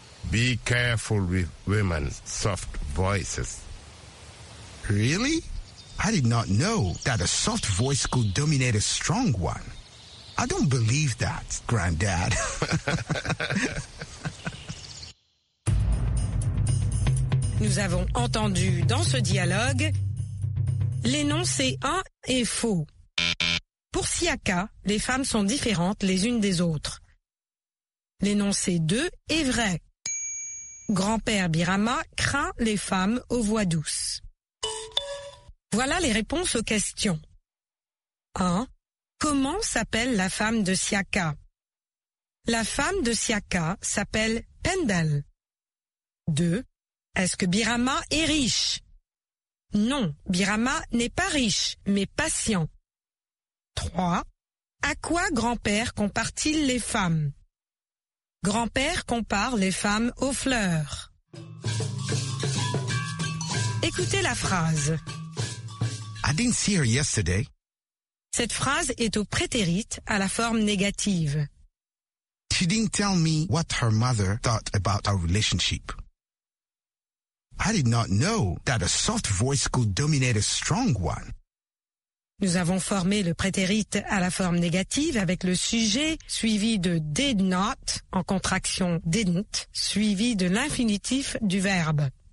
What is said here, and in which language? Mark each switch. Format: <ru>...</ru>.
<en>Be careful with women's soft voices. Really? I did not know that a soft voice could dominate a strong one. I don't believe that, Granddad.</en> <fr>Nous avons entendu dans ce dialogue l'énoncé 1 est faux. Pour Siaka, les femmes sont différentes les unes des autres. L'énoncé 2 est vrai. Grand-père Birama craint les femmes aux voix douces. Voilà les réponses aux questions. 1. Comment s'appelle la femme de Siaka? La femme de Siaka s'appelle Pendel. 2. Est-ce que Birama est riche? Non, Birama n'est pas riche, mais patient. 3. À quoi grand-père compare-t-il les femmes? Grand-père compare les femmes aux fleurs. Écoutez la phrase.</fr> <en>I didn't see her yesterday.</en> <fr>Cette phrase est au prétérit, à la forme négative.</fr> <en>She didn't tell me what her mother thought about our relationship. I did not know that a soft voice could dominate a strong one.</en> <fr>Nous avons formé le prétérit à la forme négative avec le sujet suivi de did not en contraction didn't suivi de l'infinitif du verbe.</fr>